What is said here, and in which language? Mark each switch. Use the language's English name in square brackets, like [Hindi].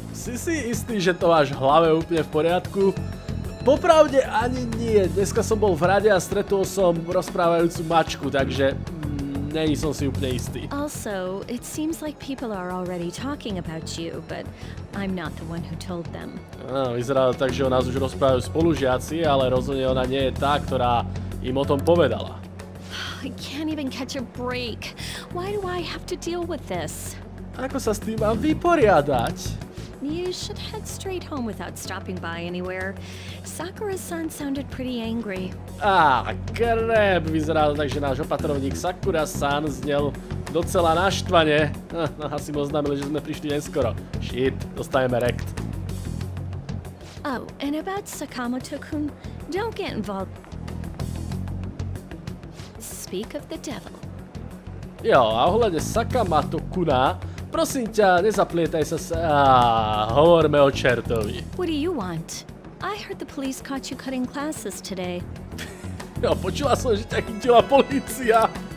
[Slovak] Si si istý, že to máš v hlave úplne v poriadku? Popravde ani nie. Dneska som bol v rade a stretol som rozprávajúcu mačku, takže neni som si úplne istý. [English] Also, it seems like people are already talking about you, but I'm not the one who told them. [Slovak] Vyzerá to tak, že o nás už rozprávajú spolužiaci, ale rozhodne ona nie je tá, ktorá im o tom povedala. [English] I can't even catch a break. Why do I have to deal with this? [Slovak] Ako sa s tým mám vyporiadať? [English] You should head straight home without stopping by anywhere. Sakura-san sounded pretty angry. [Slovak] Krep, vyzerá to tak, že náš opatrovník Sakura-san znel docela naštvane. Asi mu oznámili, že sme prišli neskoro. Shit, dostajeme rekt. [English] Oh, and about Sakamoto-kun, don't get involved. Speak of the devil. [Slovak] Jo, a ohľadne Sakamoto-kuna, prosím ťa, nezaplietaj sa s... hovorme o čertovi. [English] What do you want? I heard the police caught you cutting classes today. [Slovak] Jo, počula som, že ťa chytila polícia.